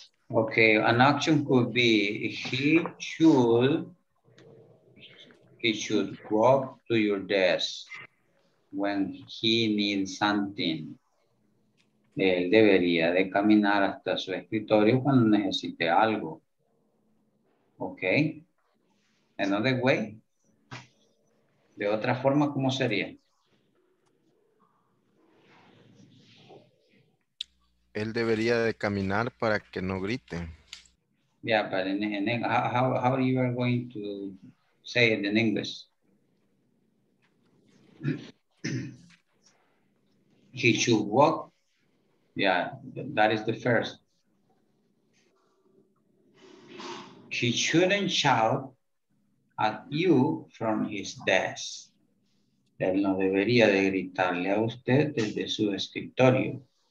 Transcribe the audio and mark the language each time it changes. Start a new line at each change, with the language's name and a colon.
English: Okay, an action could be he should walk to your desk when he needs something.
Spanish: Él debería de caminar hasta su escritorio cuando necesite algo.
English: Okay. Another way.
Spanish: De otra forma, ¿cómo sería? Él debería de caminar para que no grite.
English: Yeah, but how are you going to say it in English? He should walk. Yeah, that is the first. He shouldn't shout at you from his desk.
Spanish: Él no debería de gritarle a usted desde su escritorio.